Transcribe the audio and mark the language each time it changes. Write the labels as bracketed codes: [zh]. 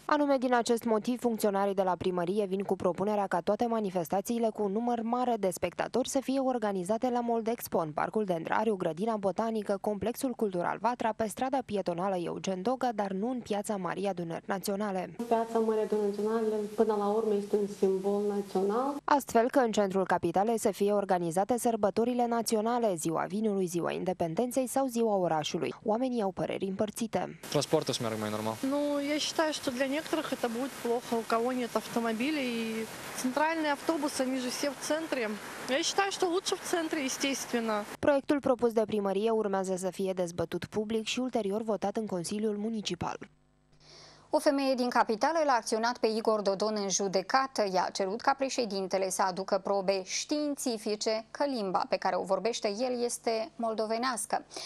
[ro] Anume din acest motiv, funcționarea funcționarii de la primărie vin cu propunerea ca toate manifestațiile cu un număr mare de spectatori să fie organizate la Mold Expo, în Parcul Dendrariu, Grădina Botanică, Complexul Cultural Vatra, pe strada pietonală Eugen Doga, dar nu în Piața Maria Dunări Naționale. Piața Maria Dunări Naționale, până la urmă, este un simbol național. Astfel că în centrul capitalei să fie organizate sărbătorile naționale, Ziua Vinului, Ziua Independenței sau Ziua Orașului. Oamenii au păreri împărțite. Transportul să meargă mai normal. Nu, eu [ru] считаю, что для некоторых это будет плохо, у кого нет автомобилей, и центральные автобусы, они же все в центре. Я считаю, что лучше в центре, естественно. [ro] Proiectul propus de primărie urmează să fie dezbătut public și ulterior votat în Consiliul Municipal. O femeie din capitală l-a acționat pe Igor Dodon în judecată. I-a cerut ca președintele să aducă probe științifice că limba pe care o vorbește el este moldovenească.